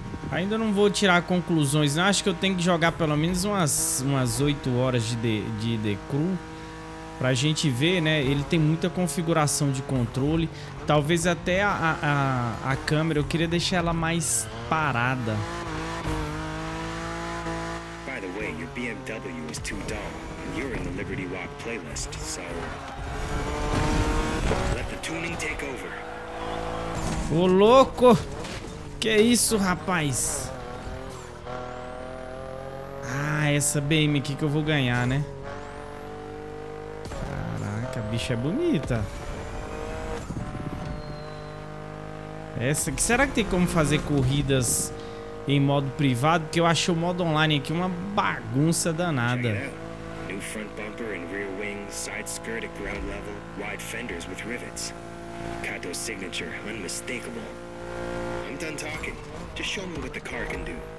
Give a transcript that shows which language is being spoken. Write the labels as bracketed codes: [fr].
[pt] Ainda não vou tirar conclusões, não. Acho que eu tenho que jogar pelo menos umas 8 horas de The Crew. Pra gente ver, né? Ele tem muita configuração de controle. Talvez até a câmera, eu queria deixar ela mais parada. [en] BMW is too dull, and you're in the Liberty Walk playlist, so let the tuning take over. [pt] Ô louco! Que isso, rapaz? Ah, essa BM aqui que eu vou ganhar, né? Caraca, a bicha é bonita. Essa aqui, será que tem como fazer corridas em modo privado, que eu acho o modo online aqui uma bagunça danada. [en] New front bumper and rear wing, side skirt at ground level, wide fenders with rivets. Kato's signature, unmistakable. I'm done talking. Just show me what the car can do.